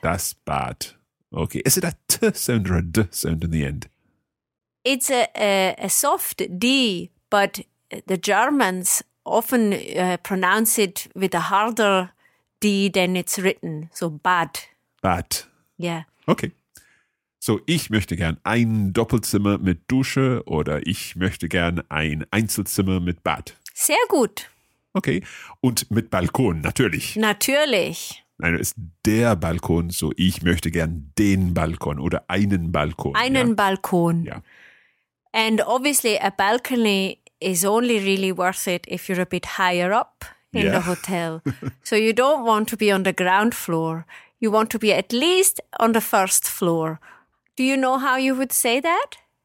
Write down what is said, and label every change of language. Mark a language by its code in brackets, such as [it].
[en] Das Bad. Okay. Is it a T sound or a D sound in the end? It's a soft D, but the Germans often pronounce it with a harder D than it's written. So Bad. [de] Bad. [en] Yeah. Okay. [de] So, ich möchte gern ein Doppelzimmer mit Dusche oder ich möchte gern ein Einzelzimmer mit Bad. Sehr gut. Okay. Und mit Balkon, natürlich. Natürlich. Nein, es ist der Balkon, so ich möchte gern den Balkon oder einen Balkon. Einen ja? Balkon. Ja. [en] And obviously a balcony is only really worth it if you're a bit higher up in the hotel. So you don't want to be on the ground floor. You want to be at least on the first floor. Do you know how you would say that?